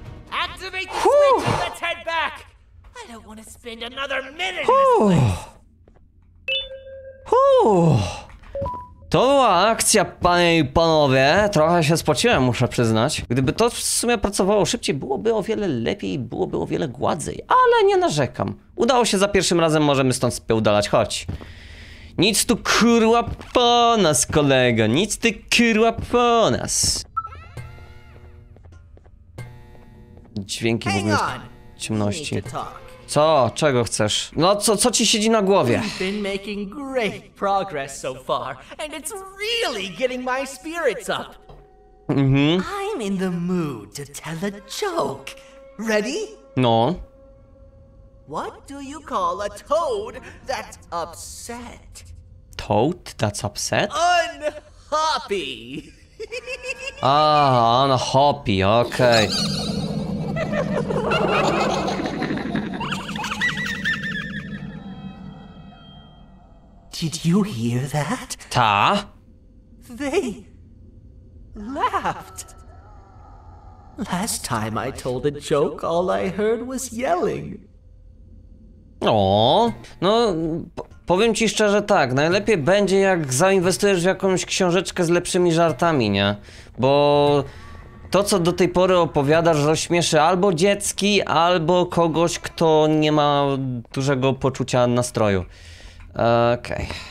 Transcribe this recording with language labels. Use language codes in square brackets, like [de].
[en] Activate the switch and let's head back! I don't want to spend another minute in this place! [pl] To była akcja, panie i panowie. Trochę się spociłem, muszę przyznać. Gdyby to w sumie pracowało szybciej, byłoby o wiele lepiej, byłoby o wiele gładzej. Ale nie narzekam. Udało się za pierwszym razem, możemy stąd spiełdalać. Chodź. Nic tu kurwa po nas, kolego. Nic ty kurwa po nas. Dźwięki w ogóle ciemności. Co? Czego chcesz? No co, co ci siedzi na głowie? [en] We've been making great progress so far, and it's really getting my spirits up. I'm in the mood to tell a joke. Ready? No. What do you call a toad that's upset? Toad that's upset? Unhappy. Ah, unhappy. Okay. Did you hear that? [pl] Ta? [en] They laughed. Last time I told a joke, all I heard was yelling. [pl] No, powiem ci szczerze tak, najlepiej będzie jak zainwestujesz w jakąś książeczkę z lepszymi żartami, nie? Bo... to, co do tej pory opowiadasz, rozśmieszy albo dziecki, albo kogoś, kto nie ma dużego poczucia nastroju. Okej.